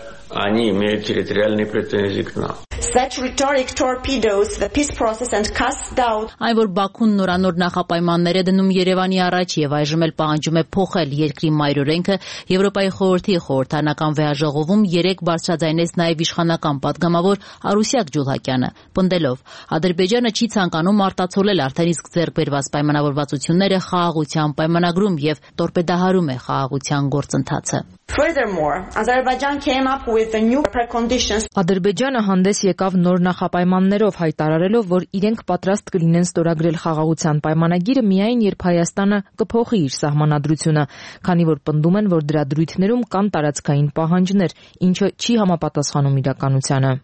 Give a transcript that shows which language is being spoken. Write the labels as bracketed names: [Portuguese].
[Russian] Они имеют территориальные претензии к нам. [English] Such rhetoric torpedoes the peace process and casts doubt. [Armenian] Այն որ Բաքուն նորանոր նախապայմանները դնում Երևանի առաջ եւ այժմ էլ պահանջում է փոխել երկրի մայրօրենքը, Եվրոպայի խորհրդի խորհրդանական վեաժողովում 3 բարձրաձայնեց նաեւ իշխանական падգամավոր Արուսյակ Ջուլհակյանը, պնդելով, Ադրբեջանը չի ցանկանում արտացոլել արդեն իսկ ձեռքբերված պայմանավորվածությունները խաղաղության պայմանագրում եւ տորպեդահարում է խաղաղության գործընթացը։ [English] Furthermore, Azerbaijan came up with the new preconditions. [Armenian] Ադրբեջանը հանդես եկավ նոր նախապայմաններով, հայտարարելով, որ իրենք պատրաստ կլինեն ստորագրել խաղաղության պայմանագիրը միայն երբ Հայաստանը կփոխի իր սահմանադրությունը, քանի որ պնդում են, որ դրա դրույթներում կան տարածքային պահանջներ, ինչը չի համապատասխանում իրականությանը.